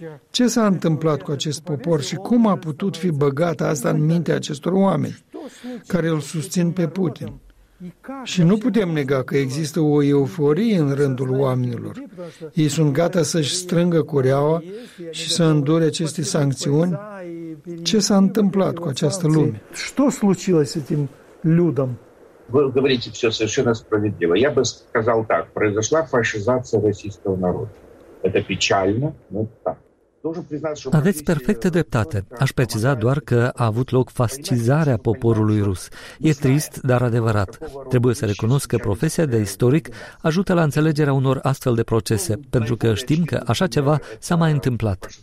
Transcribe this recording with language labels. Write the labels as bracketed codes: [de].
[ro] Ce s-a întâmplat cu acest popor și cum a putut fi băgată asta în mintea acestor oameni care îl susțin pe Putin? Și nu putem nega că există o euforie în rândul oamenilor. Ei sunt gata să-și strângă cureaua și să îndure aceste sancțiuni. Ce s-a întâmplat cu această lume? Ce s-a întâmplat cu acest [ru] людям? Вы говорите всё совершенно справедливо. Я бы сказал так: произошла фашизация российского народа. Это печально, но так. [ro] Aveți perfectă dreptate. Aș preciza doar că a avut loc fascizarea poporului rus. E trist, dar adevărat. Trebuie să recunosc că profesia de istoric ajută la înțelegerea unor astfel de procese, pentru că știm că așa ceva s-a mai întâmplat.